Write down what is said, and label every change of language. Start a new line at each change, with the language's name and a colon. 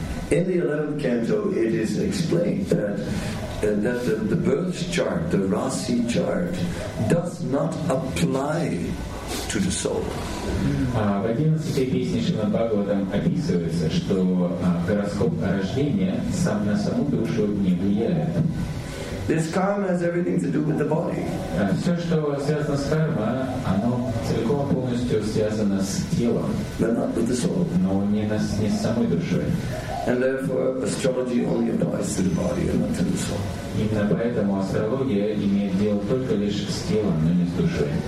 English: In the 11th canto, it is explained that the birth chart, the Rasi chart, does not apply to the soul.
Russian: В 11-й песне Шримад-Бхагаватам описывается, что гороскоп рождения сам на саму душу не влияет.
English: This karma has everything to do with the body.
Russian: Все, что связано с кармой, оно целиком полностью связано с телом.
English: But not with the soul.
Russian: Но не с самой душой.
English: And therefore, astrology only applies to the body and not to the soul.
Russian: Именно поэтому астрология имеет дело только лишь с телом, но не с душой.